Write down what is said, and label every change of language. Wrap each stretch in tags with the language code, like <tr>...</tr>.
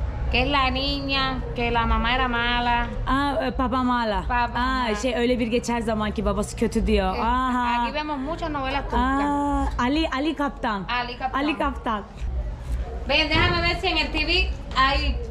<es>Que es la niña, que la mamá era mala. Ah, papá mala. Papá. Ah, mala.</es> <tr>Şey, öyle bir geçer zaman ki babası kötü diyor. Evet. Aha.</tr> <es>Aquí vemos muchas novelas turcas. Ah, Ali Kaptan. Ali Kaptan. Ali Kaptan. Ven, déjame ver si en el TV hay</es>